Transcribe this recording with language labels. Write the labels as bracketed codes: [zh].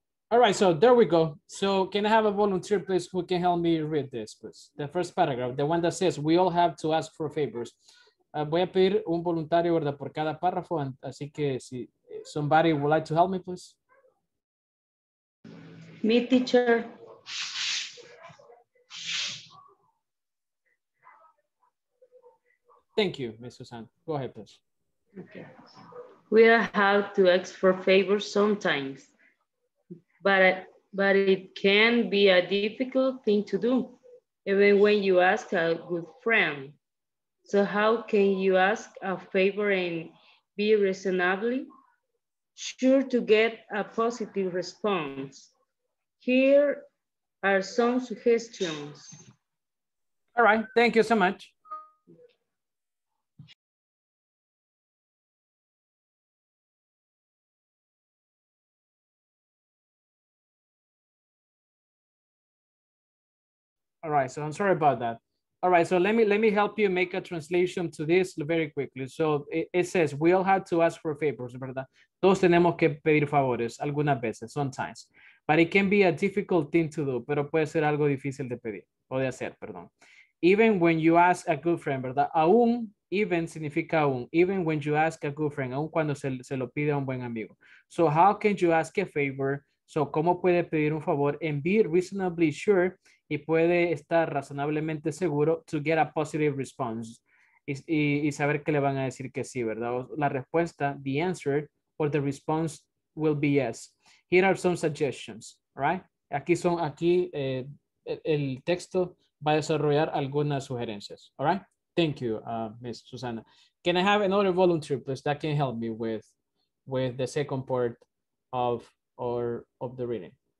[en] All right, so there we go. So can I have a volunteer, please, who can help me read this, please? The first paragraph, the one that says, we all have to ask for favors. [es] Voy a pedir un voluntario, ¿verdad?, por cada párrafo. Así que si [en] somebody would like to help me, please. Me, teacher. Thank you, Ms. Susan. Go ahead, please. Okay. We all have to ask for favors sometimes. But it can be a difficult thing to do, even when you ask a good friend. So how can you ask a favor and be reasonably sure to get a positive response? Here are some suggestions. All right, thank you so much. All right, so I'm sorry about that. All right, so let me help you make a translation to this very quickly. So it says, we all have to ask for favors, [es] ¿verdad? Todos tenemos que pedir favores algunas veces, sometimes. [en] But it can be a difficult thing to do, [es] pero puede ser algo difícil de pedir, o de hacer, perdón. [en] Even when you ask a good friend, [es] ¿verdad? Aún, [en] even [es] significa aún. [en] Even when you ask a good friend, [es] aún cuando se lo pide a un buen amigo. [en] So how can you ask a favor? So [es] ¿cómo puede pedir un favor? [en] And be reasonably sure, [es] y puede estar razonablemente seguro, [en] to get a positive response. [es] Y saber que le van a decir que sí, ¿verdad? O la respuesta, [en] the answer, or the response will be yes. Here are some suggestions, right? [es] Aquí el texto va a desarrollar algunas sugerencias, [en] all right? Thank you, Ms. Susana. Can I have another volunteer, please, that can help me with the second part of the reading?